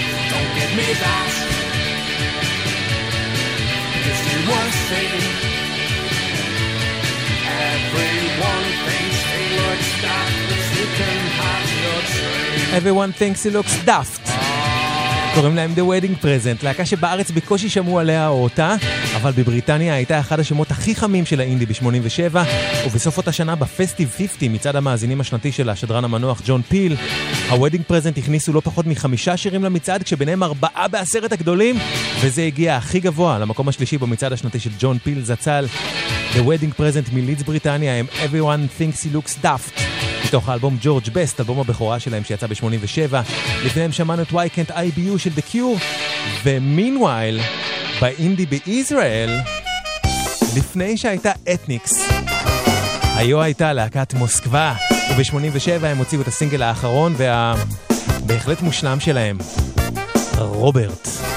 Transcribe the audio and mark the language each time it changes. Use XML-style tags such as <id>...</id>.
<en>Don't give me that, 'cause you were seen. Everyone thinks he looks fast, but you can have your dream. Everyone thinks he looks daft.</en> <he>קוראים להם The Wedding Present, להקה שבארץ בקושי שמעו עליה או אותה, אבל בבריטניה הייתה אחד השמות הכי חמים של האינדי ב-87, ובסוף אותה שנה בפסטיב 50 מצד המאזינים השנתי של השדרן המנוח ג'ון פיל, ה-Wedding Present הכניסו לא פחות מ5 שירים למצעד, כשביניהם 4 בעשרת הגדולים, וזה הגיע הכי גבוה למקום השלישי במצעד השנתי של ג'ון פיל זצל. The Wedding Present מלידס בריטניה הם Everyone Thinks He Looks Daft. מתוך האלבום ג'ורג' בסט, אלבום הבכורה שלהם שיצא ב-87, לפניהם שמענו את Why Can't I Be You של The Cure, ומינוויל, באינדי בישראל, לפני שהייתה אתניקס, היו הייתה להקת מוסקבה, וב-87 הם הוציאו את הסינגל האחרון, והבהחלט מושלם שלהם, רוברט.</he>